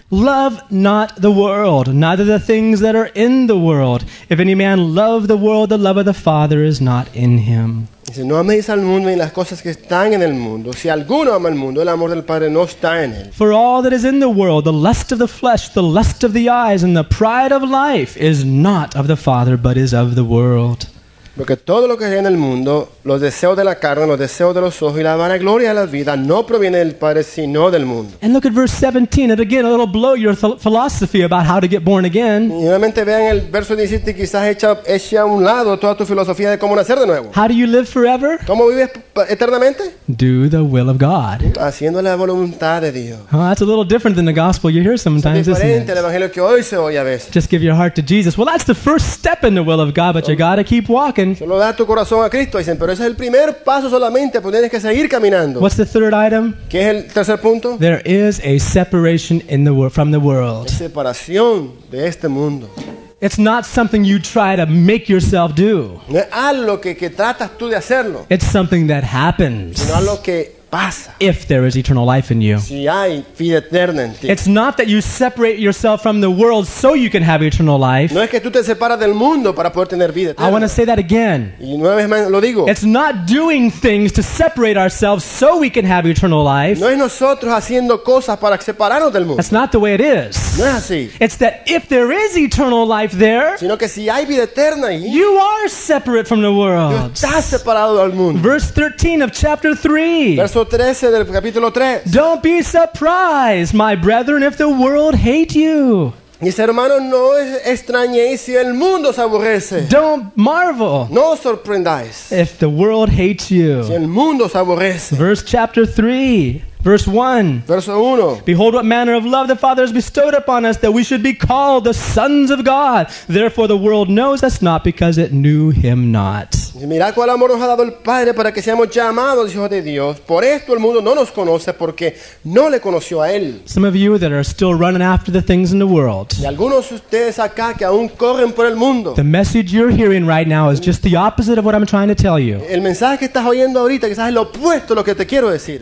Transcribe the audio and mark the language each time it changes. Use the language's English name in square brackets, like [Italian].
[English] Love not the world, neither the things that are in the world. If any man love the world, the love of the Father is not in him. [Spanish] Dice, no améis al mundo ni las cosas que están en el mundo. Si alguno ama el mundo, el amor del Padre no está en él. [English] For all that is in the world, the lust of the flesh, the lust of the eyes, and the pride of life is not of the Father, but is of the world. [Spanish] Porque todo lo que hay en el mundo, los deseos de la carne, los deseos de los ojos y la vanagloria de la vida no proviene del Padre, sino del mundo. [English] And look at verse 17, and again, a little blow your philosophy about how to get born again. [Spanish] Y nuevamente vean el verso 17 y quizás echa a un lado toda tu filosofía de cómo nacer de nuevo. [English] How do you live forever? [Spanish] ¿Cómo vives eternamente? [English] Do the will of God. [Spanish] Haciendo la voluntad de Dios. [English] Oh, that's a little different than the gospel you hear sometimes, isn't it? [Spanish] Es diferente al evangelio que hoy se oye a veces. [English] Just give your heart to Jesus. Well, that's the first step in the will of God, but you got to keep walking. [Spanish] Solo da tu corazón a Cristo, dicen, pero ese es el primer paso solamente, pues tienes que seguir caminando. [English] What's the third item? [Spanish] ¿Qué es el tercer punto? [English] There is a separation in the world from the world. [Spanish] Es separación de este mundo. [English] It's not something you try to make yourself do. [Spanish] No es algo que tratas tú de hacerlo. [English] It's something that happens. [Spanish] Sino algo que pasa. [English] If there is eternal life in you. [Spanish] Si hay vida eterna en ti. [English] It's not that you separate yourself from the world so you can have eternal life. [Spanish] No es que tú te separas del mundo para poder tener vida eterna. [English] I want to say that again. [Spanish] Y una vez más lo digo. [English] It's not doing things to separate ourselves so we can have eternal life. [Spanish] No es nosotros haciendo cosas para separarnos del mundo. [English] That's not the way it is. [Spanish] No es así. [English] It's that if there is eternal life there, [Spanish] sino que si hay vida eterna ahí, [English] you are separate from the world. [Spanish] Estás separado del mundo. [English] Verse 13 of chapter 3. [Spanish] Verso 13 del capítulo 3. [English] Don't be surprised, my brethren, if the world hate you. [Spanish] Mis hermanos, no os extrañéis si el mundo os aborrece. [English] Don't marvel. [Spanish] No os sorprendáis. [English] If the world hates you. [Spanish] Si el mundo os aborrece. [English] Verse chapter 3. Verse 1. [Spanish] Verso 1. [English] Behold what manner of love the Father has bestowed upon us that we should be called the sons of God. Therefore the world knows us not because it knew him not. [Spanish] Mira cuál amor nos ha dado el Padre para que seamos llamados hijos de Dios. Por esto el mundo no nos conoce porque no le conoció a él. [English] Some of you that are still running after the things in the world. [Spanish] Y algunos de ustedes acá que aún corren por el mundo. [English] The message you're hearing right now is just the opposite of what I'm trying to tell you. [Spanish] El mensaje que estás oyendo ahorita quizás es lo opuesto a lo que te quiero decir.